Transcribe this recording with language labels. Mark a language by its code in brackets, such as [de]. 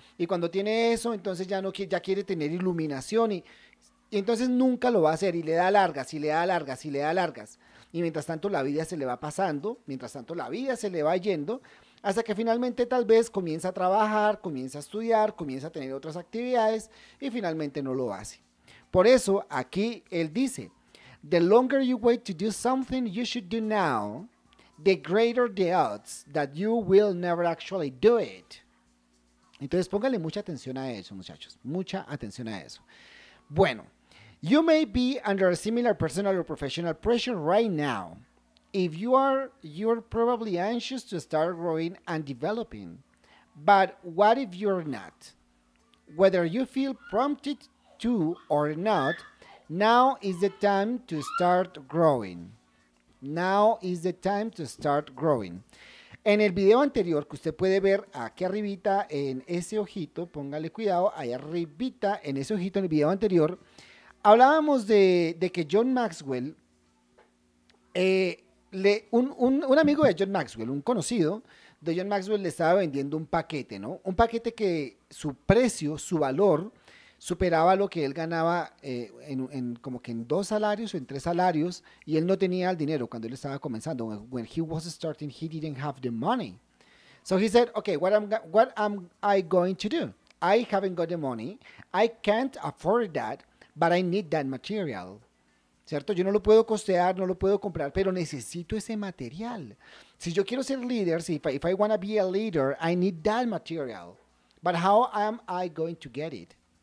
[es] Y cuando tiene eso, entonces ya no quiere, ya quiere tener iluminación y entonces nunca lo va a hacer y le da largas y le da largas y le da largas. Y mientras tanto la vida se le va pasando, mientras tanto la vida se le va yendo, hasta que finalmente tal vez comienza a trabajar, comienza a estudiar, comienza a tener otras actividades y finalmente no lo hace. Por eso aquí él dice, [en] "The longer you wait to do something you should do now, the greater the odds that you will never actually do it." [es] Entonces, póngale mucha atención a eso, muchachos. Mucha atención a eso. Bueno, [en] you may be under a similar personal or professional pressure right now. If you are, you're probably anxious to start growing and developing. But what if you're not? Whether you feel prompted to or not, now is the time to start growing. Now is the time to start growing. [es] En el video anterior que usted puede ver aquí arribita en ese ojito, póngale cuidado, ahí arribita en ese ojito en el video anterior, hablábamos de que John Maxwell, un amigo de John Maxwell, un conocido de John Maxwell le estaba vendiendo un paquete, ¿no? Un paquete que su precio, su valor superaba lo que él ganaba como que en dos salarios o en tres salarios, y él no tenía el dinero cuando él estaba comenzando. [en] When he was starting, he didn't have the money. So he said, okay, what am I going to do? I haven't got the money. I can't afford that, but I need that material. [es] ¿Cierto? Yo no lo puedo costear, no lo puedo comprar, pero necesito ese material. Si yo quiero ser líder, si [en] if I want to be a leader, I need that material. But how am I going to get it?